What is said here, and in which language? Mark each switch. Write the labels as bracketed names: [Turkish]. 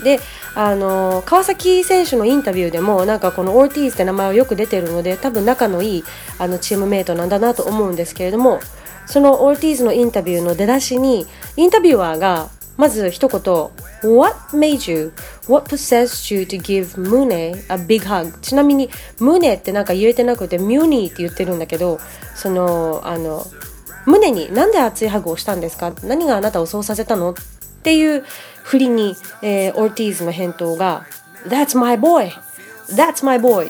[Japanese] で川崎選手のインタビューでもなんかこのオルティーズって名前はよく出てるので、多分仲のいいチームメイトなんだなと思うんですけれども、そのオルティーズのインタビューの出だしにインタビュアーがまず一言、 [English] What made you? What possessed you to give Mune a big hug? [Japanese] ちなみに Mune ってなんか言えてなくて Mune って言ってるんだけど、その Mune になんで熱いハグをしたんですか、何があなたをそうさせたのっていう振りに、オルティーズの返答が [English] That's my boy! That's my boy!